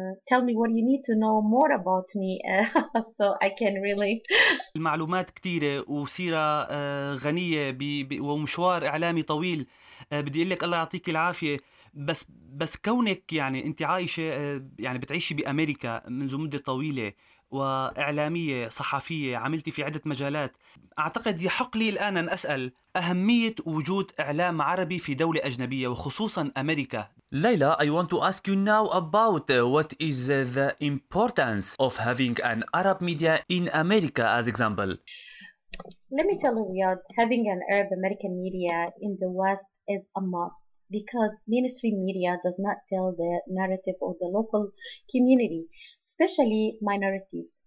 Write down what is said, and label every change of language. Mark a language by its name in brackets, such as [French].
[English] Tell me what you need to know more about me so I can really [Arabic] المعلومات كثيرة وسيرة غنية ومشوار إعلامي طويل. بدي أقول لك الله يعطيك العافية، بس كونك يعني أنت عايشة يعني بتعيشي بأمريكا منذ مدة طويلة وإعلامية صحفية عملتي في عدة مجالات، أعتقد يحق لي الآن أن أسأل أهمية وجود إعلام عربي في دولة أجنبية وخصوصا أمريكا. [English] Layla, I want to ask you now about what is the importance of having an Arab media in America as example. Let me tell you, Riyadh, having an Arab American media in the West is a must because mainstream media does not tell the narrative of the local community, especially minorities.